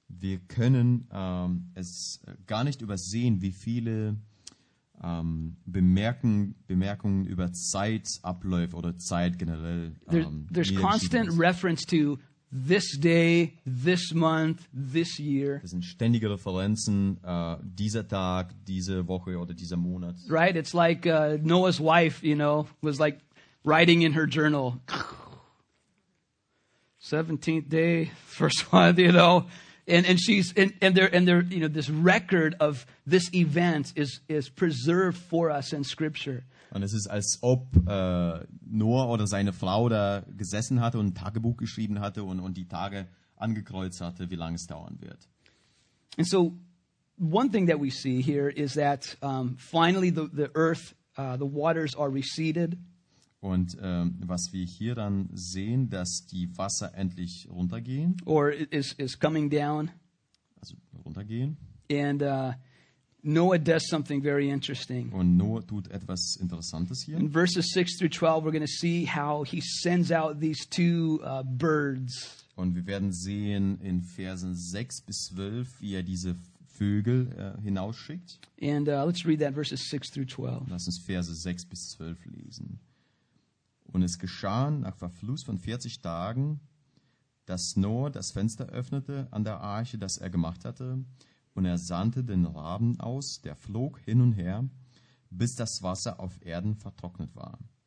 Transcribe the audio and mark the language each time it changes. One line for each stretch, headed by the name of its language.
German: Wir können es gar nicht übersehen, wie viele Bemerkungen über Zeitabläufe oder Zeit generell.
English: There's constant reference to this day, this month, this year.
German: Das sind ständige Referenzen, dieser Tag, diese Woche oder dieser Monat.
English: Right, it's like Noah's wife, you know, was like writing in her journal. 17th day, first one, you know. And she's and they're you know, this record of this event is preserved for us in Scripture.
German: Und es ist, als ob Noah oder seine Frau da gesessen hatte und ein Tagebuch geschrieben hatte und die Tage angekreuzt hatte, wie lange es dauern wird.
English: And so one thing that we see here is that finally the earth, the waters are receded.
German: Und was wir hier dann sehen, dass die Wasser endlich runtergehen.
English: Or is coming down.
German: Also runtergehen.
English: And Noah does something very interesting.
German: Und Noah tut etwas Interessantes hier.
English: In verses 6 through 12, we're going to see how he sends out these two birds.
German: Und wir werden sehen in Versen 6 bis 12, wie er diese Vögel hinausschickt.
English: And let's read that, verses 6 through 12.
German: Lass uns Verse 6 bis 12 lesen. Und es geschah nach Verfluss von 40 Tagen, dass Noah das Fenster öffnete an der Arche, das er gemacht hatte. Und er sandte den Raben aus, der flog hin und her, bis das Wasser auf Erden vertrocknet war.